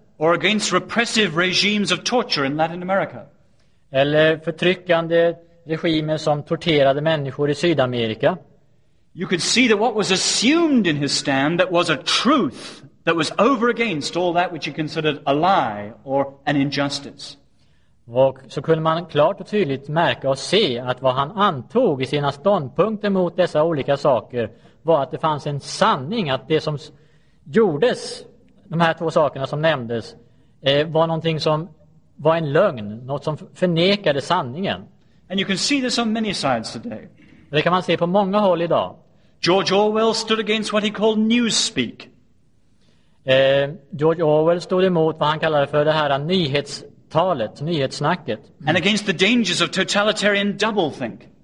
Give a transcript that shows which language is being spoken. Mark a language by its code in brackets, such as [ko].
[en] Or against repressive regimes of torture in Latin America. [sv] Eller förtryckande regimer som torterade människor i Sydamerika. [en] You could see that what was assumed in his stand that was a truth that was over against all that which he considered a lie or an injustice. [sv] Och så kunde man klart och tydligt märka och se att vad han antog i sina ståndpunkter mot dessa olika saker var att det fanns en sanning, att det som gjordes, de här två sakerna som nämndes, var någonting som var en lögn, något som förnekade sanningen. [en] And you can see this on many sides today. [sv] Det kan man se på många håll idag. [en] George Orwell stood against what he called newspeak. [sv] George Orwell stod emot vad han kallade för det här nyhetstalet, nyhetssnacket. [en] And against the dangers of totalitarian doublethink.